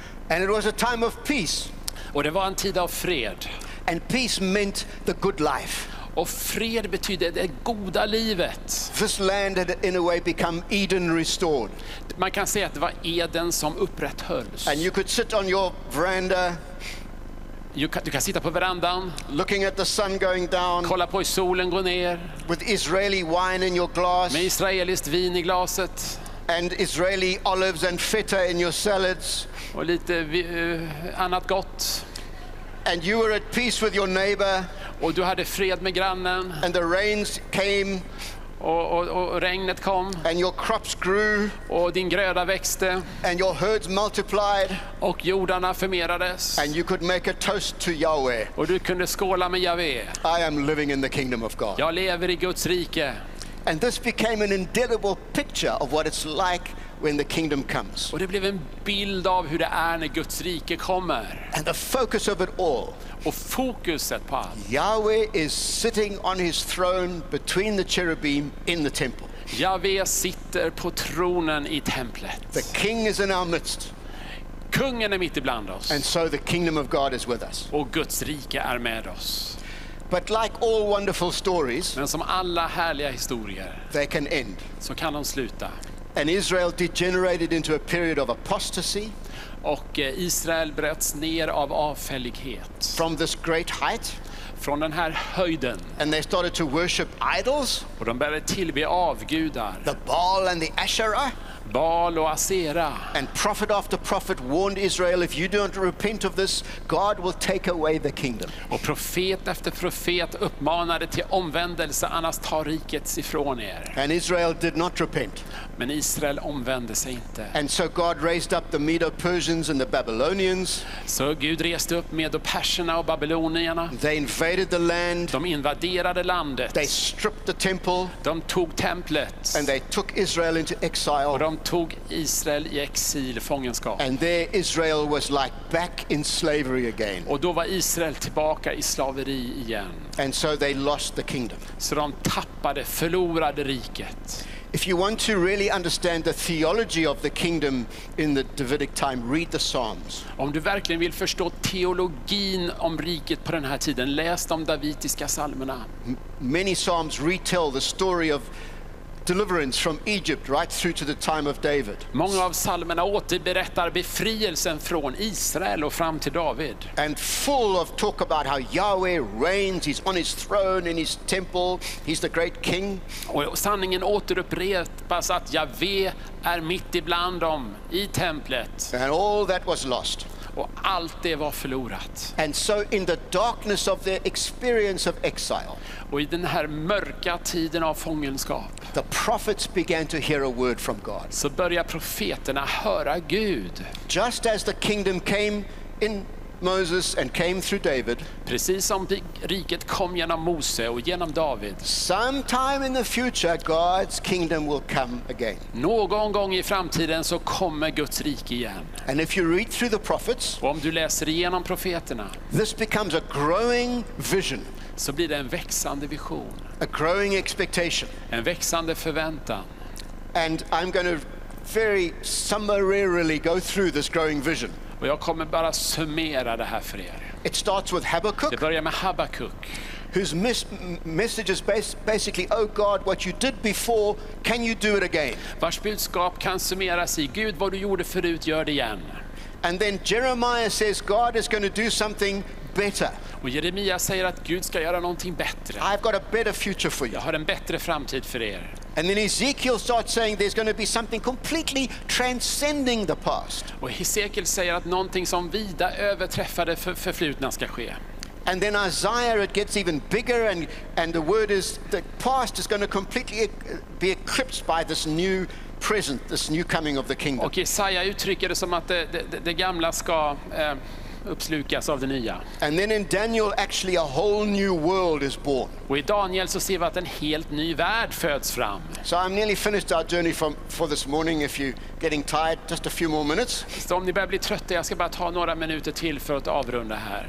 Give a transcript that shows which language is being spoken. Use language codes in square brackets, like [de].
[en] And it was a time of peace. [sv] Och det var en tid av fred. [en] And peace meant the good life. [sv] Och fred betyder det goda livet. [en] This land had in a way become Eden restored. [sv] Man kan säga att det var Eden som upprätthölls. [en] And you could sit on your veranda. [sv] Du kan sitta på verandan. [en] Looking at the sun going down. [sv] Kolla på solen gå ner. [en] With Israeli wine in your glass. [sv] Med israeliskt vin i glaset. [en] And Israeli olives and feta in your salads. [sv] Och lite annat gott. [en] And you were at peace with your neighbor. [sv] Och du hade fred med grannen. [en] And the rains came. [sv] Och regnet kom. [en] And your crops grew. [sv] Och din gröda växte. [en] And your herds multiplied. [sv] Och jordarna förmerades. [en] And you could make a toast to Yahweh. [sv] Och du kunde skåla med Yahweh. [en] I am living in the kingdom of God. [sv] Jag lever i Guds rike. [en] And this became an indelible picture of what it's like when the kingdom comes. [sv] Och det blev en bild av hur det är när Guds rike kommer. [en] And the focus of it all. [sv] Och fokuset på allt. [en] Yahweh is sitting on his throne between the cherubim in the temple. [sv] Yahweh sitter på tronen i templet. [en] The king is in our midst. [sv] Kungen är mitt ibland oss. [en] And so the kingdom of God is with us. [sv] Och Guds rike är med oss. [en] But like all wonderful stories, [sv] men som alla härliga historier, [en] they can end. [sv] Så kan de sluta. [en] And Israel degenerated into a period of apostasy. [sv] Och Israel bröts ner av avfällighet. [en] From this great height. [sv] Från den här höjden. [en] And they started to worship idols. [sv] Och de började tillbe avgudar. [en] The Baal and the Asherah. [sv] Baal och Asherah. [en] And prophet after prophet warned Israel, if you don't repent of this, God will take away the kingdom. [sv] Och profet efter profet uppmanade till omvändelse, annars tar riket ifrån er. [en] And Israel did not repent. [sv] Men Israel omvände sig inte. [en] And so God raised up the Medo-Persians and the Babylonians. [sv] Så Gud reste upp Medo-Perserna och Babylonierna. [en] They invaded the land. [sv] De invaderade landet. [en] They stripped the temple. [sv] De tog templet. [en] And they took Israel into exile. [sv] De tog Israel i exil, fångenskap. [en] And there Israel was like back in slavery again. [sv] Och då var Israel tillbaka i slaveri igen. [en] And so they lost the kingdom. [sv] Så de tappade, förlorade riket. [en] If you want to really understand the theology of the kingdom in the Davidic time, read the Psalms. [sv] Om du verkligen vill förstå teologin om riket på den här tiden, läs de davidiska psalmerna. [en] Many psalms retell the story of deliverance from Egypt right through to the time of David. [sv] Många av psalmerna återberättar befrielsen från Israel och fram till David. [en] And full of talk about how Yahweh reigns, he's on his throne in his temple, he's the great king. [sv] Och sanningen återupprepas att Yahweh är mitt ibland om i templet. [en] And all that was lost. [sv] Och allt det var förlorat. [en] And so in the darkness of their experience of exile. [sv] Och i den här mörka tiden av fångenskap. [en] The prophets began to hear a word from God. [sv] Så började profeterna höra Gud. [en] Just as the kingdom came in Moses and came through David. [sv] Precis som riket kom genom Mose och genom David. [en] Sometime in the future God's kingdom will come again. [sv] Någon gång i framtiden så kommer Guds rike igen. [en] And if you read through the prophets, [sv] och om du läser igenom profeterna, [en] this becomes a growing vision. [sv] så blir det en växande vision. [en] A growing expectation. [sv] En växande förväntan. [en] And I'm going to very summarily go through this growing vision. [sv] Och jag kommer bara summera det här för er. [en] It starts with Habakkuk. [sv] Det börjar med Habakkuk. [en] Whose message is basically, oh God, what you did before, can you do it again? [sv] Vars budskap kan summeras i, Gud, vad du gjorde förut, gör det igen. [en] And then Jeremiah says God is going to do something better. [sv] Och Jeremia säger att Gud ska göra någonting bättre. [en] I've got a better future for you. [sv] Jag har en bättre framtid för er. [en] And then Ezekiel starts saying there's going to be something completely transcending the past. [sv] Och Ezekiel säger att någonting som vida överträffar det förflutna ska ske. [en] And then Isaiah, it gets even bigger, and the word is the past is going to completely be eclipsed by this new present, this new coming of the kingdom. [sv] Och Isaiah uttrycker det som att det gamla ska uppslukas av det nya. [en] And then in Daniel actually a whole new world is born. [sv] Och i Daniel så ser vi att en helt ny värld föds fram. [en] So I'm nearly finished our journey for this morning. If you're getting tired, just a few more minutes. [sv] Så om ni börjar bli trötta, jag ska bara ta några minuter till för att avrunda här.